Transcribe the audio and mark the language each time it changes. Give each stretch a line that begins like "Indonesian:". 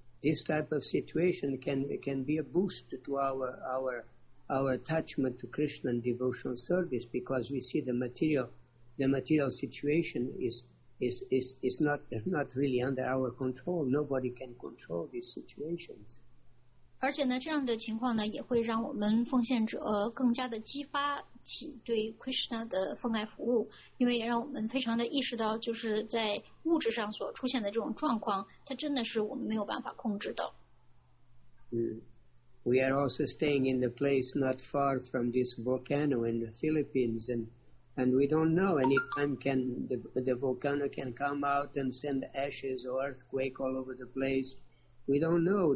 English: This type of situation can be a boost to our attachment to Krishna and devotional service because we see the material situation is not really under our control. Nobody can control these situations.
Chinese: 而且呢，这样的情况呢，也会让我们奉献者更加的激发起对 Krishna 的奉爱服务，因为也让我们非常的意识到，就是在物质上所出现的这种状况，它真的是我们没有办法控制的。
English: We are also staying in the place not far from this volcano in the Philippines, and we don't know any time can the volcano can come out and send ashes or earthquake all over the place. We don't know.